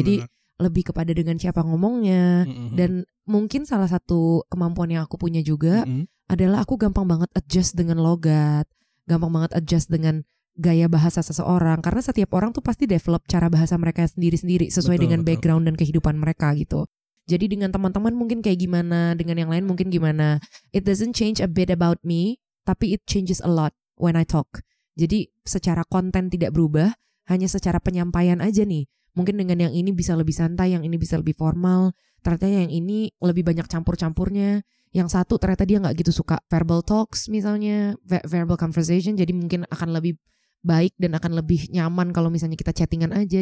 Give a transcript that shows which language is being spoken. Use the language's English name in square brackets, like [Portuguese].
[Indonesian] Jadi lebih kepada dengan siapa ngomongnya. Dan mungkin salah satu kemampuan yang aku punya juga adalah aku gampang banget adjust dengan logat, gampang banget adjust dengan gaya bahasa seseorang, karena setiap orang tuh pasti develop cara bahasa mereka sendiri-sendiri sesuai dengan background dan kehidupan mereka gitu. Jadi dengan teman-teman mungkin kayak gimana, dengan yang lain mungkin gimana. [English] It doesn't change a bit about me, [Indonesian] tapi [English] it changes a lot when I talk. [Indonesian] Jadi secara konten tidak berubah, hanya secara penyampaian aja nih. Mungkin dengan yang ini bisa lebih santai, yang ini bisa lebih formal. Ternyata yang ini lebih banyak campur-campurnya. Yang satu ternyata dia gak gitu suka [English] verbal talks [Indonesian] misalnya, [English] verbal conversation. [Indonesian] Jadi mungkin akan lebih baik dan akan lebih nyaman kalau misalnya kita chattingan aja.